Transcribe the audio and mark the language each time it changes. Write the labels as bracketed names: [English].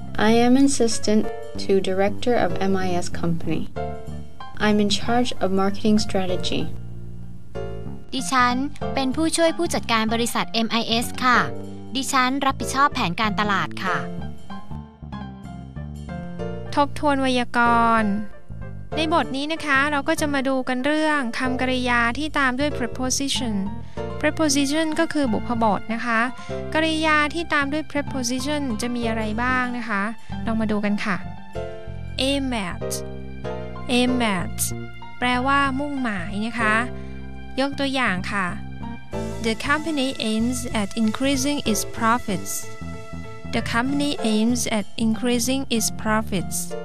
[English] I am assistant to director of MIS company. I'm in charge of marketing strategy. [Thai] ดิฉันเป็นผู้ช่วยผู้จัดการบริษัท MIS ค่ะดิฉันรับผิดชอบแผนการตลาดค่ะ ทบทวนไวยากรณ์ในบทนี้นะคะเราก็จะมาดูกันเรื่องคำกริยาที่ตามด้วย preposition preposition ก็คือบุพบทนะคะกริยาที่ตามด้วย preposition จะมีอะไรบ้างนะคะลองมาดูกันค่ะ aim at แปลว่ามุ่งหมายนะคะยกตัวอย่างค่ะ [English] The company aims at increasing its profits. The company aims at increasing its profits.